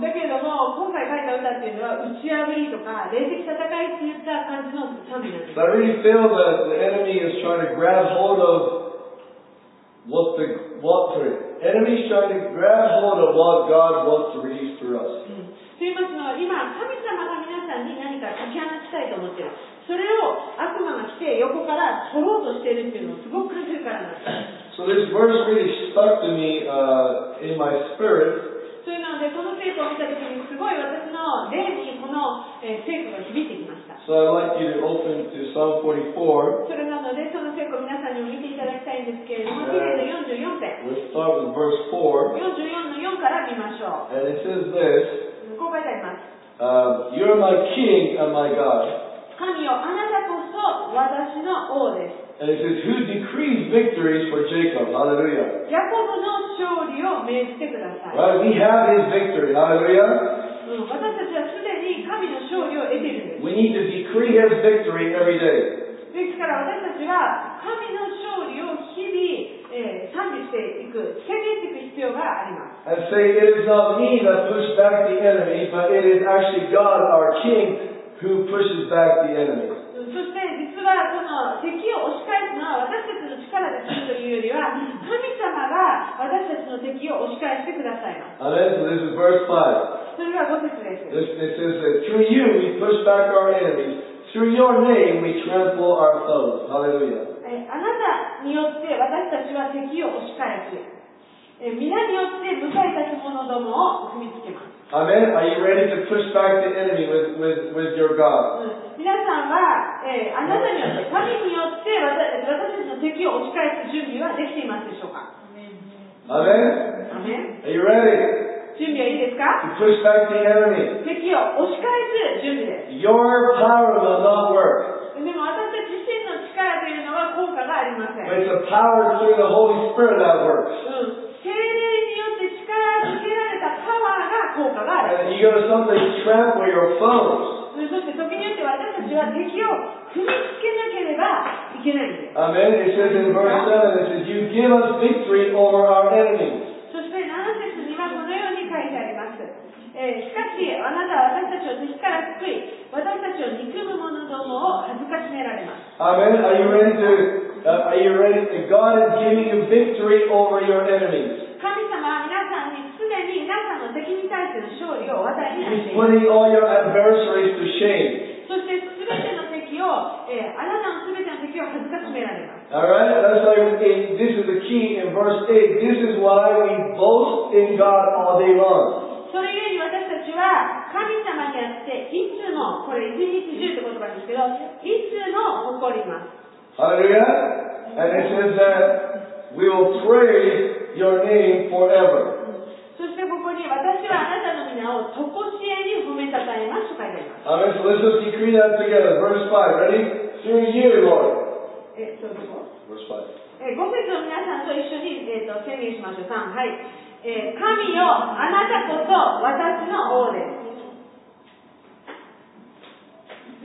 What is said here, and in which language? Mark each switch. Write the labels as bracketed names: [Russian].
[English] But I really feel that the enemy is trying to grab hold of what God wants to release through us. [Japanese] と言いますのは、今神様が皆さんに何か解き放ちたいと思っている。それを悪魔が来して横から取ろうとしてるっていうのをすごく感じるからなんです。 [English] So this verse really stuck to me, in my spirit. [Japanese] そういうのでこの聖句を見た時にすごい私の霊にこの聖句が響いてきました。 [English] So I'd like you to open to Psalm 44. [Japanese] それなのでその聖句を皆さんにも見ていただきたいんですけれども、詩篇の44 編。 [English] Let's start with verse [Japanese] 4. 44の4から見ましょう。 [English] And it says this. [Japanese] こう書いてあります。 [English] You're my king and my God. [Japanese] 神よ、あなたこそ私の王です。 [English] And it says, who decrees victories for Jacob? Hallelujah. [Japanese] ヤコブの勝利を命じてください。 [English] Right, we have his victory. Hallelujah. [Japanese] 私たちはすでに神の勝利を得ているんです。 [English] We need to decree his victory every day. [Japanese] ですから私たちは神の勝利を日々、賛美していく、宣言していく必要があります。 [English] And say, it is not me that pushed back the enemy, but it is actually God, our King, who pushes back the enemy. [Japanese] そして実はこの敵を押し返すのは私たちの力でするというよりは、神様が私たちの敵を押し返してくださいます。 [English] Amen. So this is verse 5. [Japanese] それが5節です。 [English] This, this is it. Through you we push back our enemies. Through your name we trample our foes. Hallelujah. [Japanese] あなたによって私たちは敵を押し返す。皆によって向かい立つ者どもを踏みつけます。 [English] Amen. Are you ready to push back the enemy with your God? [Japanese] 皆さんは、あなたによって、神によって私たちの敵を押し返す準備はできていますでしょうか? [English] Amen. Amen. Are you ready? [Japanese] 準備はいいですか? [English] To push back the enemy. [Japanese] 敵を押し返す準備です。 [English] Your power will not work. [Japanese] でも私たち自身の力というのは効果がありません。 [English] But it's the power through the Holy Spirit that works. [Japanese] 聖霊によって力づけられたパワーが効果がある。 [English] And you got something to trample your foes. [Japanese] そして時によって私たちは敵を踏みつけなければいけないんです。 [English] Amen. It says in verse 7, it says, You give us victory over our enemies. [Japanese] そして7節にはこのように書いてあります。しかしあなたは私たちを敵から救い、私たちを憎む者どもを恥ずかしめられます。 [English] Amen. Are you ready to? Are you ready to? God is giving you victory over your enemies. [Japanese] 神様は皆さんに常に皆さんの敵に対する勝利を与えています [English] 。 He's putting all your adversaries to shame. [Japanese] そして全ての敵を、あなたの全ての敵を恥ずかしめられます。 [English] Alright, that's why this is the key in verse 8. This is why we boast in God all day long. [Japanese] それゆえに私たちは神様にあっていつも、これ一日中って言葉ですけど、いつも誇ります。 [English] Hallelujah! And it says that we will praise your name forever. [Japanese] そしてここに私はあなたの皆をとこしえに褒めたたえますと書いてあります。 [English] Alright, so let's just decree that together. Verse 5, ready? Through you, Lord. [Japanese] どうぞ。 [English] Verse 5. [Japanese] 5節を皆さんと一緒に、宣言しましょう。3、はい。神よ、あなたこそ私の王です。